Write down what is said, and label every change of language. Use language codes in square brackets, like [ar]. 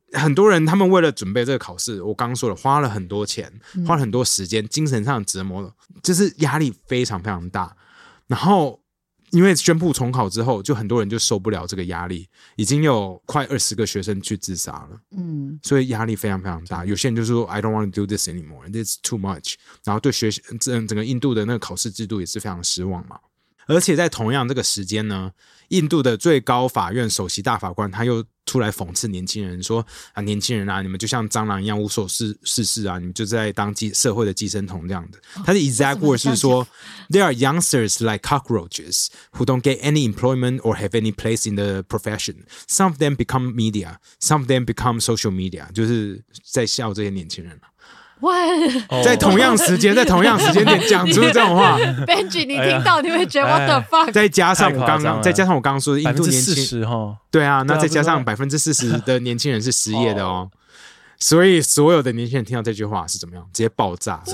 [zh] 很多人他们为了准备这个考试，我刚说了花了很多钱，花了很多时间，精神上折磨，就是压力非常非常大。然后因为宣布重考之后，就很多人就受不了这个压力，已经有快20个学生去自杀了。嗯，所以压力非常非常大。有些人就说 [en] I don't want to do this anymore, this is too much。 [zh] 然后对学整个印度的那个考试制度也是非常失望嘛。而且在同样这个时间呢，印度的最高法院首席大法官他又出来讽刺年轻人说，啊，年轻人啊，你们就像蟑螂一样无所事事啊，你们就在当社会的寄生虫这样的。他的 [en] exact word [zh] 是说 [en] There are youngsters like cockroaches who don't get any employment or have any place in the profession. Some of them become media. Some of them become social media. [zh] 就是在笑这些年轻人。 [en] What? [zh] 在同样时间点讲出这种话。 Benji, 你听到、哎、你会觉得 [en] What the fuck? [zh] 再加上我刚刚说的印度年轻人。 40%、哦、对啊，那再加上 40% 的年轻人是失业的哦。所以所有的年轻人听到这句话是怎么样，直接爆炸。